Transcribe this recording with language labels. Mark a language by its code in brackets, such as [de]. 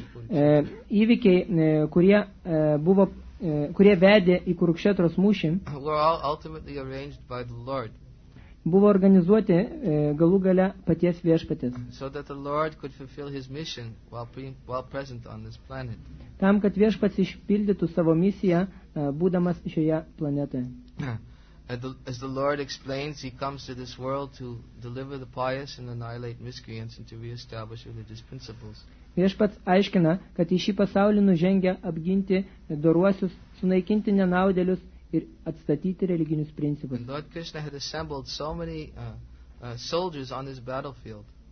[lt] Įvykiai, kurie buvo, kurie vedė į Kurukšetros mūšį, buvo organizuoti galų gale paties viešpatės. [en] So that the Lord could fulfill his mission while present on this planet. [lt] Tam, kad viešpats išpildytų savo misiją, būdamas šioje planetoje. [en] As the Lord explains, he comes to this world to deliver the pious and annihilate miscreants and to reestablish religious principles. [lt] Viešpats aiškina, kad į šį pasaulį nužengia apginti doruosius, sunaikinti nenaudėlius ir atstatyti religinius principus. [en] And Lord Krishna had assembled so many soldiers on this battlefield.